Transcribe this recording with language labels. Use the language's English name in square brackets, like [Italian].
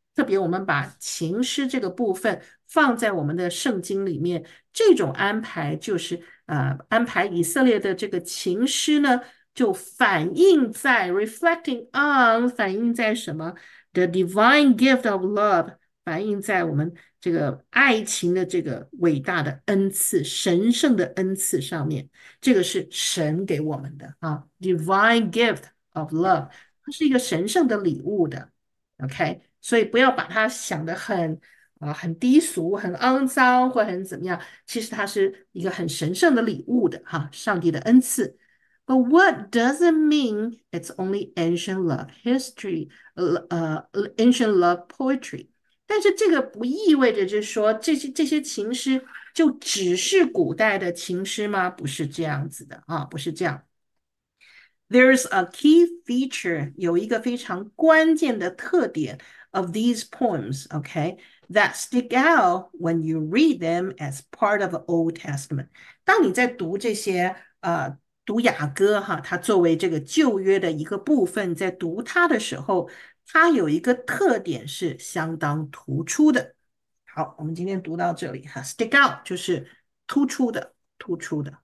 [Chinese] 特别我们把情诗这个部分放在我们的圣经里面，这种安排就是安排以色列的这个情诗呢，就反映在 [English] reflecting on [Chinese] 反映在什么 [English] the divine gift of love [Chinese] 反映在我们这个爱情的这个伟大的恩赐、神圣的恩赐上面，这个是神给我们的啊， [English] divine gift of love [Chinese] 它是一个神圣的礼物的，OK。所以不要把它想得很低俗、很肮脏或很怎么样，其实它是一个很神圣的礼物的哈，上帝的恩赐。 [English] But what does it mean? It's only ancient love history, ancient love poetry. [Chinese] 但是这个不意味着就是说这些情诗就只是古代的情诗吗？不是这样子的啊，不是这样。 [English] There's a key feature， [Chinese] 有一个非常关键的特点。 [English] Of these poems, okay, that stick out when you read them as part of Old Testament. [Chinese] 当你在读这些读雅歌哈，它作为这个旧约的一个部分，在读它的时候，它有一个特点是相当突出的。好，我们今天读到这里哈， [English] stick out [Chinese] 就是突出的，突出的。